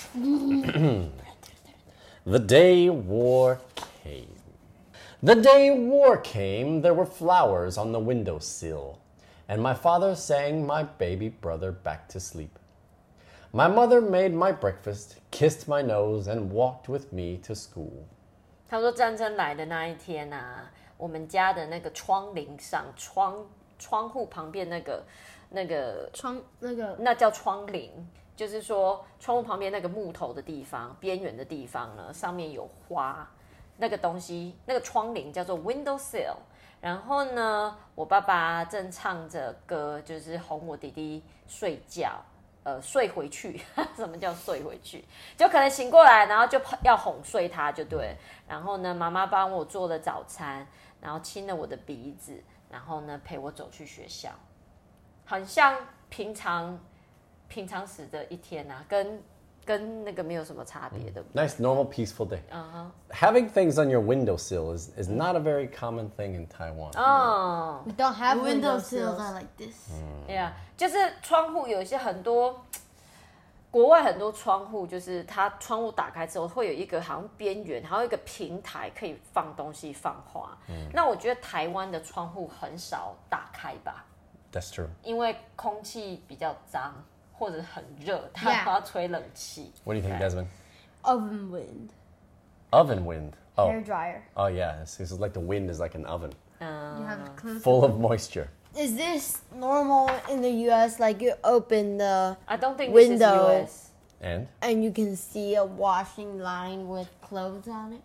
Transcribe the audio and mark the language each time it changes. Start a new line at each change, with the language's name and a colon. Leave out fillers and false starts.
English: The day war came. The day war came, there were flowers on the windowsill, and my father sang my baby brother back to sleep. My mother made my breakfast, kissed my nose, and walked with me to school.
Chinese: 他说战争来的那一天啊, 我们家的那个窗棂上, 窗户旁边那个, 那叫窗棂, 就是说窗户旁边那个木头的地方, 边缘的地方呢, 上面有花, 那个东西, 那个窗棂叫做windowsill, 然后呢, 我爸爸正唱着歌, 就是哄我弟弟睡觉, 睡回去, 什么叫睡回去, 就可能醒过来, 然后就要哄睡他, 就对, 然后呢, 妈妈帮我做了早餐, 然后亲了我的鼻子, 然后呢, 陪我走去学校, 很像平常, 平常时的一天啊, 跟, 跟那个没有什么差别,
English: Nice, normal, peaceful day. Having things on your windowsill is not a very common thing in Taiwan. We don't have windowsills like this.
Chinese: Yeah, 就是窗户有一些很多, 国外很多窗户, 就是它窗户打开之后会有一个好像边缘, 还有一个平台可以放东西放花。 那我觉得台湾的窗户很少打开吧。
English: That's true.
Chinese: 因为空气比较脏或者很热，他都要吹冷气。
English: Yeah. What do you think, Desmond? Oven wind. Oven wind. Oh. Hair dryer. Oh yeah, it's like the wind is like an oven. Full of moisture. Is this normal in the U.S.? Like you open the I don't think window. This is U.S. And you can see a washing line with clothes on it?